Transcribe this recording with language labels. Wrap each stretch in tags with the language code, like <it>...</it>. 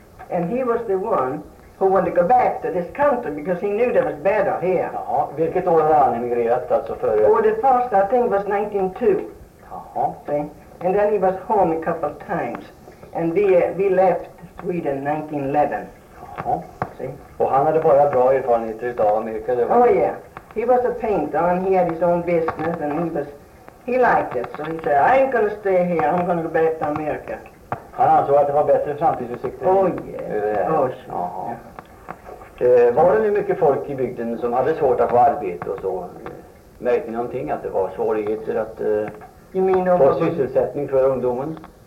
<en>And he was the one who wanted to go back to this country because he knew there was better here.</en> <sv>Ja, vilket år har han emigrerat alltså före?</sv> <en>Oh, the first, I think, was 1902.</en> <sv>Jaha.</sv> <en>See? And then he was home a couple of times, and we left Sweden 1911.</en> <sv>Och han hade bara bra erfarenheter utav Amerika, det var.</sv> <en>Oh yeah, he was a painter and he had his own business and he liked it. So he said, I ain't gonna stay here, I'm gonna go back to America.</en> <sv>Han ansåg att det var bättre framtidsutsikter.</sv> <en>Oh yeah, oh yeah.</en> <sv>Var det nu mycket folk i bygden som hade svårt att få arbete och så? Märkte ni någonting att det var svårigheter att</sv> <en>You mean på</en> <sv>sysselsättning för ungdomen?</sv>